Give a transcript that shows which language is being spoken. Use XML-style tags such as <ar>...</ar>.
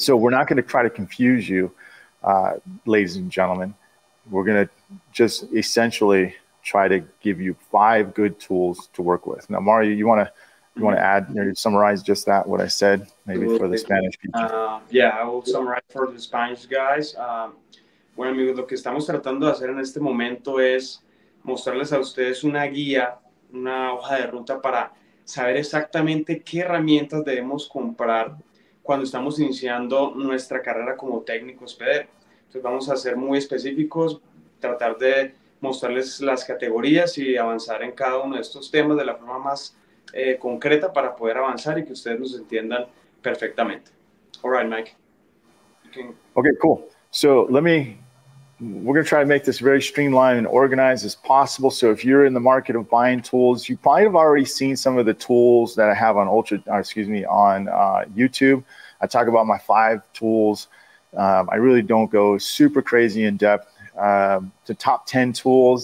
<en>So we're not going to try to confuse you, ladies and gentlemen. We're going to just essentially try to give you five good tools to work with. Now, Mario, you want to add or summarize just that, what I said, maybe for the Spanish people? Yeah, I will summarize for the Spanish guys.</en> <es>Bueno, amigos, lo que estamos tratando de hacer en este momento es mostrarles a ustedes una guía, una hoja de ruta para saber exactamente qué herramientas debemos comprar cuando estamos iniciando nuestra carrera como técnicos PDR. Entonces vamos a ser muy específicos, tratar de mostrarles las categorías y avanzar en cada uno de estos temas de la forma más concreta para poder avanzar y que ustedes nos entiendan perfectamente.</es> <en>All right, Mike. Okay, cool. So we're going to try to make this very streamlined and organized as possible. So if you're in the market of buying tools, you probably have already seen some of the tools that I have on YouTube. I talk about my five tools. I really don't go super crazy in depth to top 10 tools.</en>